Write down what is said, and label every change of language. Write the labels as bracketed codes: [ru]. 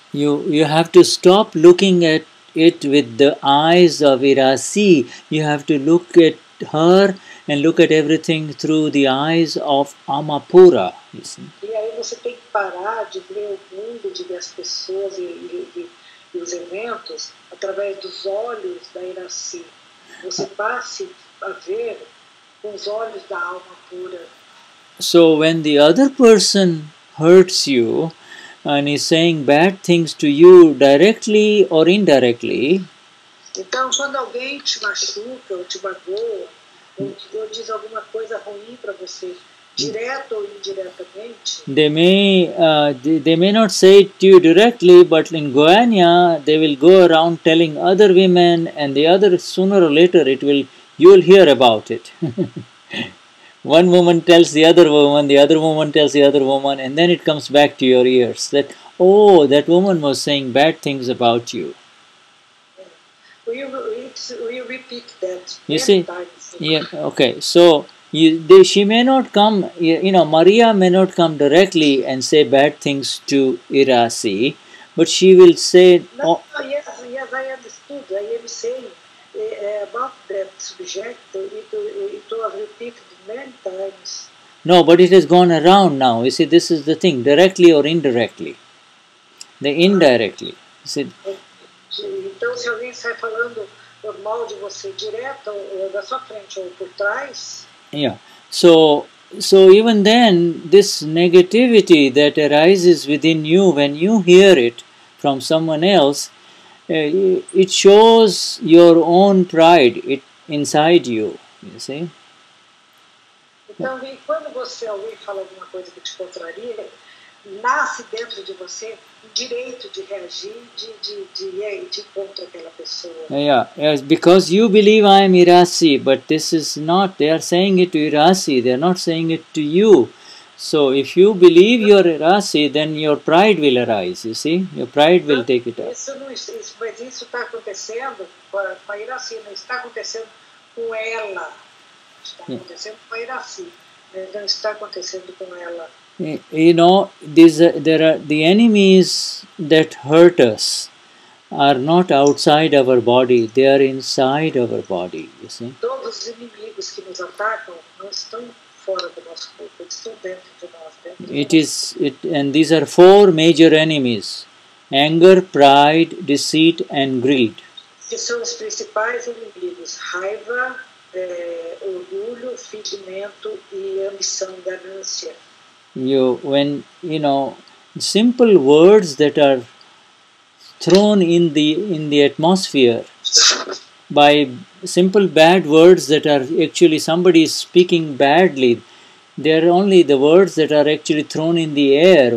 [en] You have to stop looking at it with the eyes of Irasi. You have to look at her and look at everything through the eyes of Amapura. [pt] E aí você tem que parar de ver o mundo, de ver as pessoas e os eventos através dos olhos da Iraci. Você passe a ver com os olhos da alma pura. [en] So when the other person hurts you and is saying bad things to you directly or indirectly, [pt] então, quando alguém te machuca ou te magoa, ou diz alguma coisa ruim para você, direto ou indiretamente, [en] they may not say it to you directly, but in Goiânia, they will go around telling other women and the other, sooner or later, you will hear about it. One woman tells the other woman tells the other woman, and then it comes back to your ears that, oh, that woman was saying bad things about you. Will you repeat that? You see, times? Yeah, okay. So, she may not come, you know, Maria may not come directly and say bad things to Irasi, but she will say... Yes, I understood. I am saying about that subject, it was repeated many times. No, but it has gone around now. You see, this is the thing, directly or indirectly. The indirectly. You see, [pt] então, se alguém sai falando mal de você direto, ou da sua frente, ou por trás... [en] Yeah, so even then, this negativity that arises within you, when you hear it from someone else, it shows your own pride inside you, you see? [pt] Então, quando você ouve falar alguma coisa que te contraria, nasce dentro de você o direito de reagir, de ir contra aquela pessoa. [en] Yeah, yes, because you believe I am Irasi, but this is not, they are saying it to Irasi, they are not saying it to you. So if you believe you are Irasi, then your pride will arise, you see? Your pride will take it up. [pt] Mas isso está acontecendo com a Irasi, não está acontecendo com ela. Está acontecendo com a Irasi, não está acontecendo com ela. [en] You know, the enemies that hurt us are not outside our body, they are inside our body, you see. [pt] Todos os inimigos que nos atacam não estão fora do nosso corpo, eles estão dentro de nós. [en] And these are four major enemies: anger, pride, deceit and greed. [pt] Que são os principais inimigos: raiva, orgulho, fingimento e ambição, ganância. [en] Simple words that are thrown in the atmosphere by simple bad words that are actually somebody speaking badly, they are only the words that are actually thrown in the air.